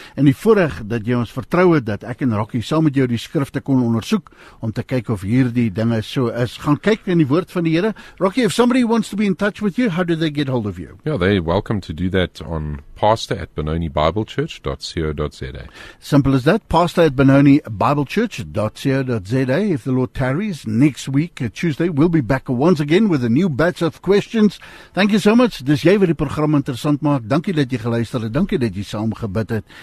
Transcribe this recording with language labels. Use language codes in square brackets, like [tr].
[af] En die voorreg dat jy ons vertrou het dat ek en Rocky saam met jou die skrifte kon ondersoek om te kyk of hierdie dinge so is. Gaan kyk in die woord van die Here. [en] Rocky, if somebody wants to be in touch with you, how do they get hold of you? Yeah, they're welcome to do that on pastor@benonibiblechurch.co.za. Simple as that. pastor@benonibiblechurch.co.za. If the Lord tarries, next week, Tuesday, we'll be back once again with a new batch of questions. Thank you so much. [af] Dis jy wat die program interessant maak. Dankie dat jy geluister het. Dankie dat jy saam gebid het.